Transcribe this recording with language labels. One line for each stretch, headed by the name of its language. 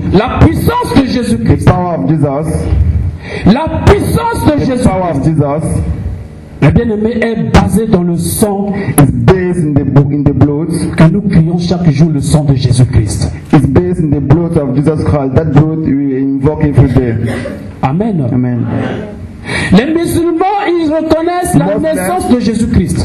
French: la puissance de Jésus-Christ,
English: the power of Jesus,
French: la puissance de
English: the
French: Jésus-Christ,
English: power of Jesus,
French: mes bien-aimés, est basée dans le sang,
English: is based in the blood,
French: que nous prions chaque jour le sang de Jésus-Christ.
English: Is based in the blood of Jesus Christ. That blood we invoke every day.
French: Amen.
English: Amen.
French: Les musulmans, ils reconnaissent la naissance de Jésus-Christ.